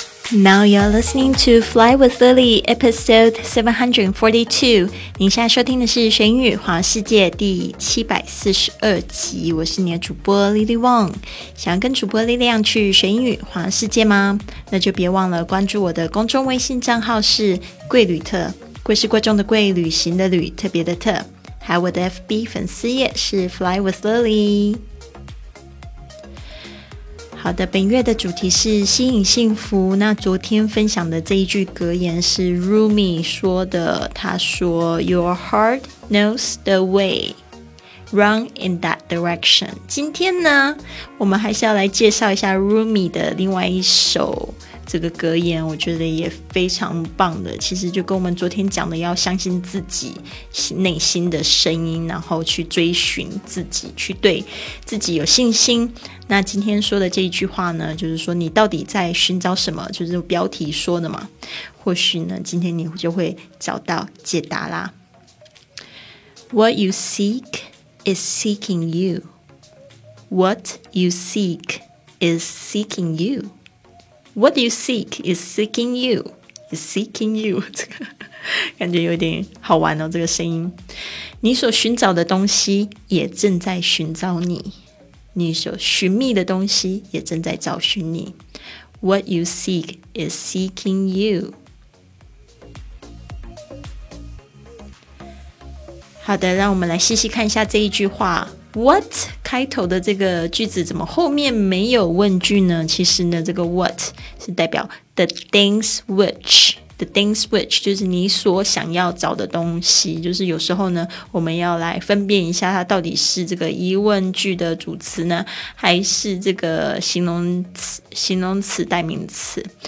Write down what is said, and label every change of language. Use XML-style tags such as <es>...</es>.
<en>Now you're listening to Fly with Lily, episode 742.</en> <zh>您现在收听的是《学英语环游世界》第742集。我是你的主播 Lily Wong。想要跟主播力量去学英语环游世界吗？那就别忘了关注我的公众微信账号是贵旅特，贵是贵重的贵，旅行的旅，特别的特。还有我的 FB 粉丝页是 Fly with Lily。好的，本月的主题是吸引幸福。那昨天分享的这一句格言是 Rumi 说的，他说</zh> <en>Your heart knows the way, run in that direction。</en> <zh>今天呢，我们还是要来介绍一下 Rumi 的另外一首这个格言，我觉得也非常棒的，其实就跟我们昨天讲的要相信自己内心的声音，然后去追寻自己，去对自己有信心。那今天说的这一句话呢，就是说你到底在寻找什么，就是标题说的嘛，或许呢今天你就会找到解答啦。</zh> <en>What you seek is seeking you. What you seek is seeking you. What you seek is seeking you. Is seeking you.</en> <zh>这个感觉有点好玩哦，这个声音。你所寻找的东西也正在寻找你，你所寻觅的东西也正在找寻你。</zh> <en>What you seek is seeking you.</en> <zh>好的，让我们来细细看一下这一句话。What 开头的这个句子怎么后面没有问句呢？其实呢，这个 what 是代表</zh> <en>the things which。 The things which</en> <zh>就是你所想要找的东西，就是有时候呢我们要来分辨一下它到底是这个疑问句的主词呢，还是这个形容词代名词。</zh>